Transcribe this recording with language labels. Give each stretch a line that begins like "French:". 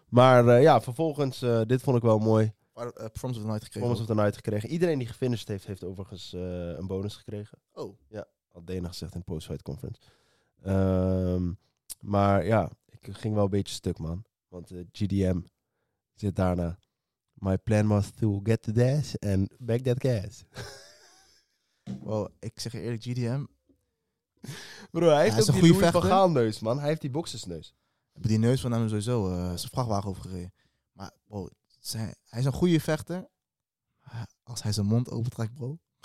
Dutch: Maar ja, vervolgens, dit vond ik wel mooi. Performance of the Night gekregen. Performance of the Night gekregen. Iedereen die gefinished heeft, heeft overigens een bonus gekregen. Oh. Ja, had Dana gezegd in post-fight conference. Maar ja, ik ging wel een beetje stuk, man. Want GDM zit daarna.
English: My plan was to get the dash and back that gas.
Dutch: Wow, ik zeg je eerlijk, GDM... Bro, hij heeft ook die Louis van Gaal neus, man. Hij heeft die boksersneus. Hebben die neus van hem sowieso zijn vrachtwagen overgereden. Maar bro, hij is een goede vechter. Als hij zijn mond opentrekt, bro.